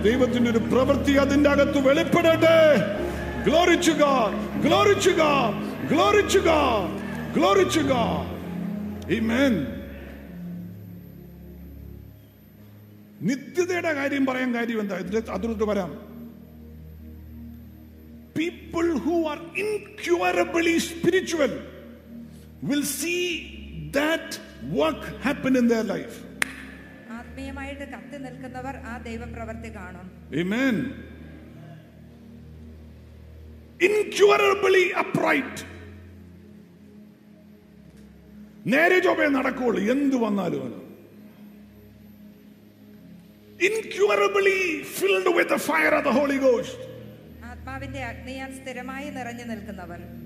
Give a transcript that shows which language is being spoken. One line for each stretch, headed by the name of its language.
Malayalam: ദൈവത്തിൻ്റെ ഒരു പ്രവൃത്തി അതിൻ്റെ അകത്ത് വെളിപ്പെടട്ടെ.
English: Glory to God, glory to God, glory to God, glory to God. Amen.
Malayalam: നിത്യതയുടെ കാര്യം പറയാൻ കാര്യം എന്താ, അതിലോട്ട് വരാം.
English: People who are incurably spiritual will see that work happen in their life.
Malayalam: ആത്മീയമായിട്ട് കത്തി നിൽക്കുന്നവർ ആ ദൈവപ്രവൃത്തി കാണും.
English: Amen. Incurably upright.
Malayalam: നേരെ ജോബേ നടക്കുള്ളൂ എന്ത് വന്നാലും.
English: Incurably filled with the fire of the Holy Ghost.
Malayalam: ആത്മാവിന്റെ അഗ്നിയാൽ സ്ഥിരമായി നിറഞ്ഞു നിൽക്കുന്നവർ.